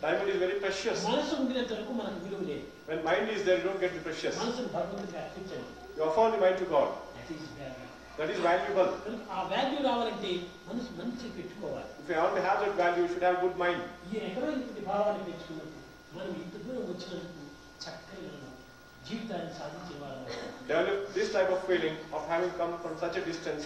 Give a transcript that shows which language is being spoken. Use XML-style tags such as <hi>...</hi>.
<en>Diamond is very precious.</en> <te>మనసు ఉన్నంతవరకు మనకు విలువ లేదు.</te> <en>When mind is there, you don't get the precious.</en> <te>మనసు భగవంతుడికి అర్పించాలి.</te> <en>You offer the mind to God. That is valuable. That is valuable.</en> <te>ఆ వాల్యూ రావాలంటే మనసు మంచి పెట్టుకోవాలి.</te> <en>If you want to have that value, you should have good mind.</en> <te>ఈ ఎక్కడ ఈ భావాన్ని పెంచుకున్నప్పుడు మనం ఇంత దూరం వచ్చినందుకు చక్కగా జీవితాన్ని సాధించేవాళ్ళం.</te> <en>Develop this type of feeling of having come from such a distance.</en>